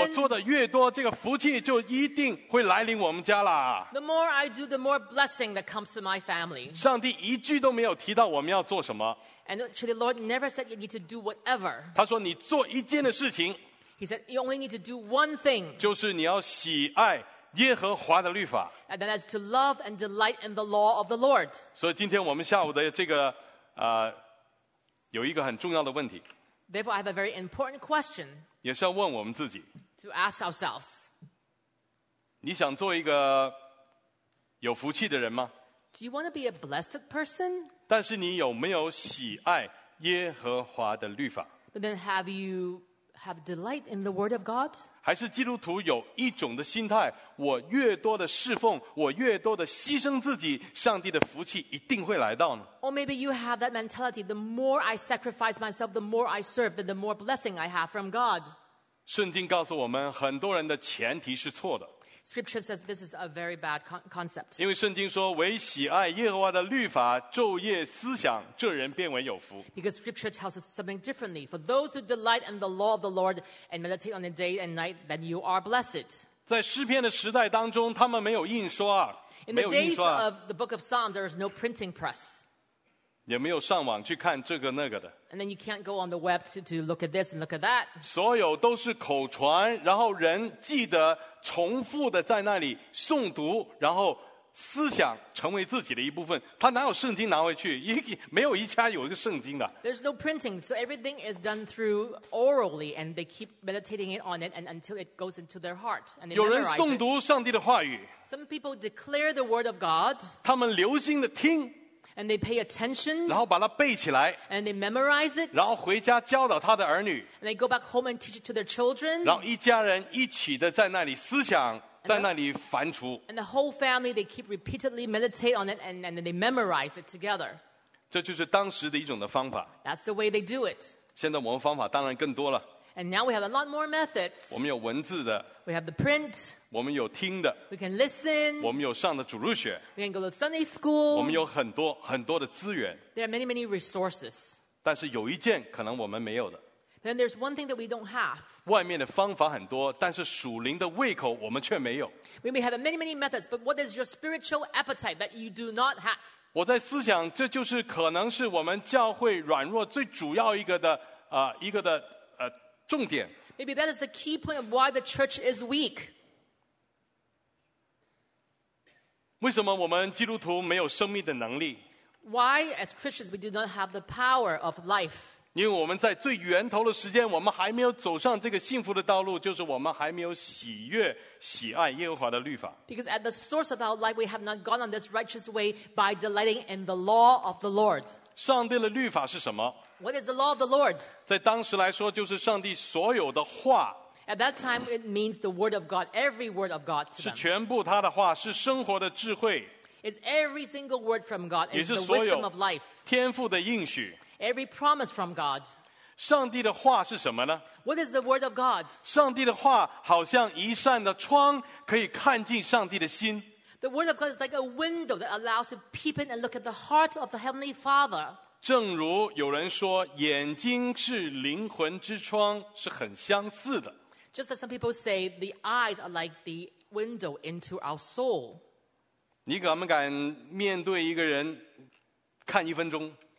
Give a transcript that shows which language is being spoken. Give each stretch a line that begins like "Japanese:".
Chinese: 我做的越多，这个福气就一定会来临我们家啦。
English: The more I do, the more blessing that comes to my family.
Chinese: 上帝一句都没有提到我们要做什么。
English: And actually, the Lord never said you need to do whatever.
Chinese: 他说你做一件的事情。
English: He said you only need to do one thing.
Chinese: 就是你要喜爱耶和华的律法。
English: And that is to love and delight in the law of the Lord.
Chinese: 所以今天我们下午的这个有一个很重要的问题。
English: Therefore, I have a very important question.
Chinese: 也是要问我们自己。
English: To ask ourselves.
Chinese: 你想做一个有福气的人吗？
English: Do you want to be a blessed person?
Chinese: 但是你有没有喜爱耶和华的律法？
English: But then have you have delight in the word of God?
Chinese: 还是基督徒有一种的心态，我越多的侍奉，我越多的牺牲自己，上帝的福气一定会来到呢？
English: Or maybe you have that mentality, the more I sacrifice myself, the more I serve, then the more blessing I have from God.
Chinese: 圣经告诉我们，很多人的前提是错的。
English: Scripture says this is a very bad concept.
Chinese: 因为圣经说，唯喜爱耶和华的律法，昼夜思想，这人变为有福。
English: Because Scripture tells us something differently. For those who delight in the law of the Lord and meditate on it day and night, then you are blessed.
Chinese: 在诗篇的时代当中，他们没有印刷。
English: In the days of the Book of Psalms, there is no printing press.
Chinese: 也没有上网去看这个那个的。
English: And then you can't go on the web to look at this and look at that.
Chinese: 所有都是口传，然后人记得。重复的在那里诵读，然后思想成为自己的一部分。他哪有圣经拿回去？没有一家有一个圣经的。
English: There's no printing, so everything is done through orally, and they keep meditating it on it, and until it goes into their heart. And they memorize.
Chinese: 有人诵读上帝的话语。
English: Some people declare the word of God.
Chinese: 他们留心的听。
English: And they pay attention.
Chinese: 然后把它背起来。
English: And they memorize it.
Chinese: 然后回家教导他的儿女。
English: And they go back home and teach it to their children.
Chinese: 然后一家人一起的在那里思想，在那里反刍。
English: And the whole family, they keep repeatedly meditate on it, and they memorize it together.
Chinese: 这就是当时的一种的方法。
English: That's the way they do it.
Chinese: 现在我们方法当然更多了。
English: And now we have a lot more methods.
Chinese: 我们有文字的。
English: We have the print.
Chinese: 我们有听的。
English: We can listen.
Chinese: 我们有上的主日学。
English: We can go to Sunday school.
Chinese: 我们有很多很多的资源。
English: There are many, many resources.
Chinese: 但是有一件可能我们没有的。
English: Then there's one thing that we don't have.
Chinese: 外面的方法很多，但是属灵的胃口我们却没有。
English: We may have many, many methods, but what is your spiritual appetite that you do not have?
Chinese: 我在思想，这就是可能是我们教会软弱最主要一个的一个的。重点。
English: Maybe that is the key point of why the church is weak.
Chinese: 为什么我们基督徒没有生命的能力？
English: Why as Christians we do not have the power of life?
Chinese: 因为我们在最源头的时间，我们还没有走上这个幸福的道路，就是我们还没有喜悦、喜爱耶和华的律法。
English: Because at the source of our life we have not gone on this righteous way by delighting in the law of the Lord.
Chinese: 上帝的律法是什么？
English: What is the law of the Lord?
Chinese: 在当时来说，就是上帝所有的话。
English: At that time, it means the word of God, every word of God to them.
Chinese: 是全部他的话，是生活的智慧。
English: It's every single word from God. It's the wisdom of life.
Chinese: 天父的应许。
English: Every promise from God.
Chinese: 上帝的话是什么呢？
English: What is the word of God?
Chinese: 上帝的话好像一扇的窗，可以看进上帝的心。
English: The word of God is like a window that allows to peep in and look at the heart of the Heavenly Father.
Chinese: 正如有人说，眼睛是灵魂之窗，是很相似的。
English: Just as some people say, the eyes are like the window into our soul.
Chinese: 你敢不敢面对一个人看一分钟？